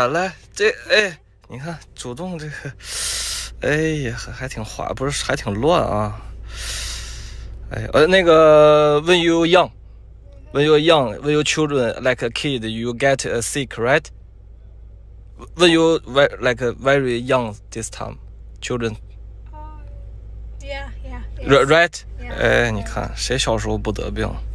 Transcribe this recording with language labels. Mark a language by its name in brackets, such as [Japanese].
[Chinese] 来，这哎，你看，主动这个，哎呀，还挺滑，不是还挺乱啊？哎，那个 [English] ，when you young, when you young, when you children like a kid, you get a sick, right? When you like very young this time, children. Yeah. Right. [Chinese] 哎，你看谁小时候不得病？